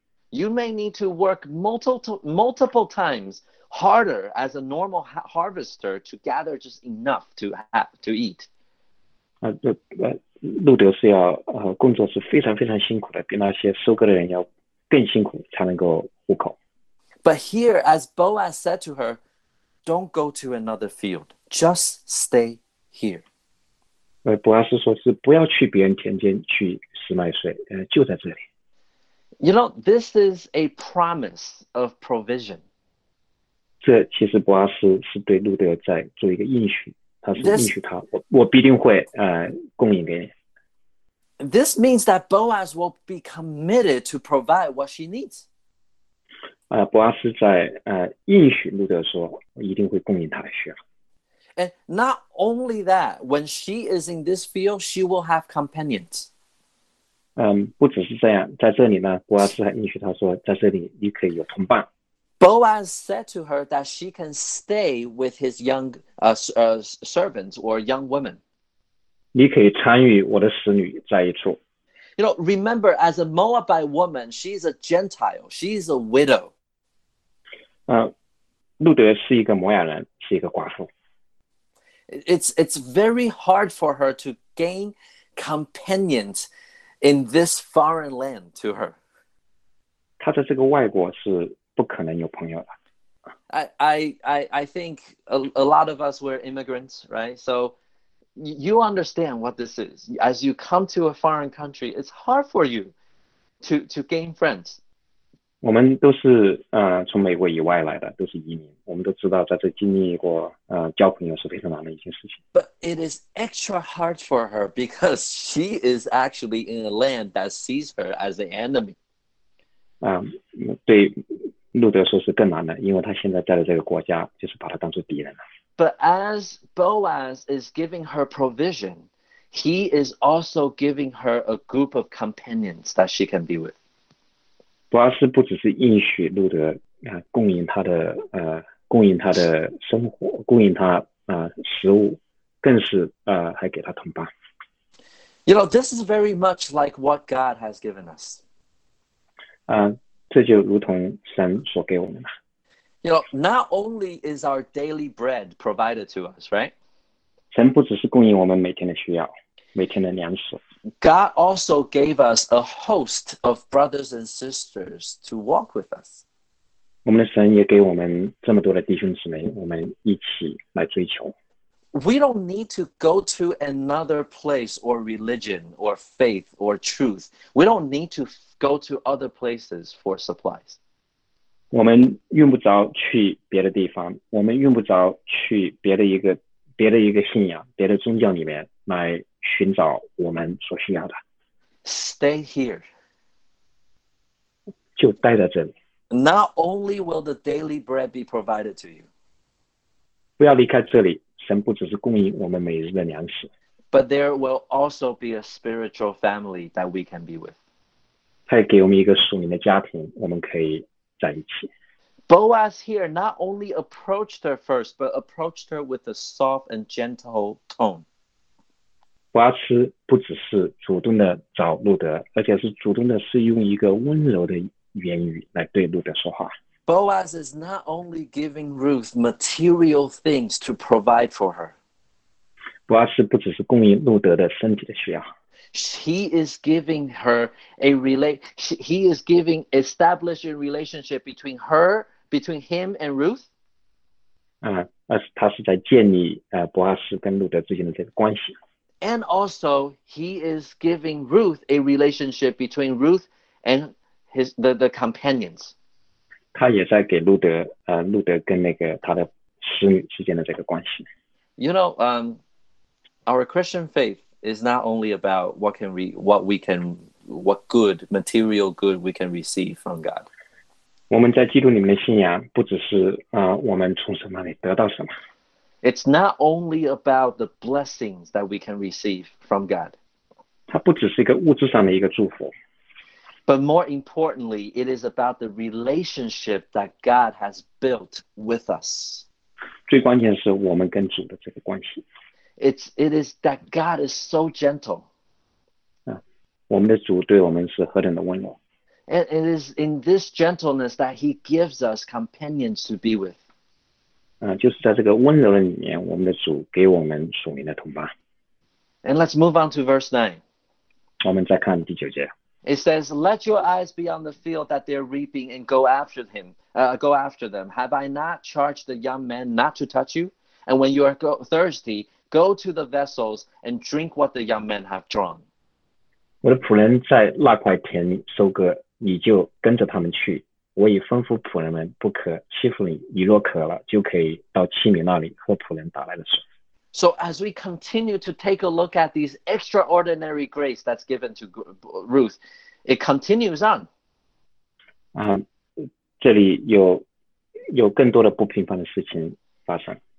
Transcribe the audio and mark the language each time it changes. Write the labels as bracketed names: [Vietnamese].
[English] You may need to work multiple times harder as a normal harvester to gather just enough to eat. [Chinese] 路德是要工作是非常非常辛苦的，比那些收割的人要更辛苦才能够糊口。 [English] But here, as Boaz said to her, "Don't go to another field. Just stay here." [Chinese] 博阿斯说是不要去别人田间去拾麦穗，就在这里。 [English] You know, this is a promise of provision. [Chinese] 这其实博阿斯是对路德在做一个应许，他是应许他， 我必定会供应给你。 [English] This means that Boaz will be committed to provide what she needs. [Chinese] 博阿斯在应许路德说，我一定会供应他的需要。 [English] And not only that, when she is in this field, she will have companions. [Chinese] 不只是这样，在这里呢，博阿斯还允许她说，在这里你可以有同伴。 [English] Boaz said to her that she can stay with his young servants or young women. [Chinese] 你可以参与我的使女在一处。 [English] You know, remember, as a Moabite woman, she's a Gentile, she's a widow. [Chinese] 路德是一个摩亚人，是一个寡妇。 [English] It's very hard for her to gain companions in this foreign land to her. [Chinese] 她在这个外国是不可能有朋友的。 [English] I think a lot of us were immigrants, right? So you understand what this is. As you come to a foreign country, it's hard for you to gain friends. [Chinese] 我们都是从美国以外来的，都是移民。我们都知道，在这经历过交朋友是非常难的一件事情。 [English] But it is extra hard for her because she is actually in a land that sees her as an enemy. [Chinese] 对路德说是更难的，因为他现在在的这个国家就是把他当做敌人了。 [English] But as Boaz is giving her provision, he is also giving her a group of companions that she can be with. [Chinese] 博阿斯不只是应许路德供应他的供应他的生活，供应他食物，更是还给他同伴。 [English] You know, this is very much like what God has given us. [Chinese] 这就如同神所给我们的。 [English] You know, not only is our daily bread provided to us, right? [Chinese] 神不只是供应我们每天的需要，每天的粮食。 [English] God also gave us a host of brothers and sisters to walk with us. [Chinese] 我们的神也给我们这么多的弟兄姊妹，我们一起来追求。 [English] We don't need to go to another place or religion or faith or truth. We don't need to go to other places for supplies. [Chinese] 我们用不着去别的地方，我们用不着去别的一个信仰，别的宗教里面来寻找我们所需要的。 [English] Stay here. [Chinese] 就待在这里。 [English] Not only will the daily bread be provided to you. [Chinese] 不要离开这里，神不只是供应我们每日的粮食。 [English] But there will also be a spiritual family that we can be with. [Chinese] 他也给我们一个属灵的家庭，我们可以在一起。 [English] Boaz here not only approached her first, but approached her with a soft and gentle tone. [Chinese] 博阿斯不只是主动的找路德，而且是主动的，是用一个温柔的言语来对路德说话。 [English] Boaz is not only giving Ruth material things to provide for her. [Chinese] 博阿斯不只是供应路德的身体的需要。 [English] He is giving establishing relationship between her, between him and Ruth. [Chinese] 他是在建立博阿斯跟路德之间的这个关系。 [English] And also, he is giving Ruth a relationship between Ruth and the companions. [Chinese] 他也在给路德，路德跟那个他的使女之间的这个关系。 [English] You know, our Christian faith is not only about what good material good we can receive from God. [Chinese] 我们在基督里面的信仰不只是我们从什么里得到什么。 [English] It's not only about the blessings that we can receive from God. [Chinese] 它不只是一个物质上的一个祝福。 [English] But more importantly, it is about the relationship that God has built with us. [Chinese] 最关键是我们跟主的这个关系。 [English] It is that God is so gentle. [Chinese] 我们的主对我们是何等的温柔。 [English] And it is in this gentleness that he gives us companions to be with. [Chinese] 就是在这个温柔的里面，我们的主给我们属灵的同伴。 [English] And let's move on to verse 9. [Chinese] 我们再看第九节。 [English] It says, let your eyes be on the field that they're reaping and go after them. Have I not charged the young men not to touch you? And when you are thirsty, go to the vessels and drink what the young men have drawn. [Chinese] 我的仆人在那块田里收割，你就跟着他们去。我已吩咐仆人们不可欺负你，你若渴了，就可以到器皿那里喝仆人打来的水。 [English] So as we continue to take a look at these extraordinary grace that's given to Ruth, it continues on. [Chinese] 这里有更多的不平凡的事情发生。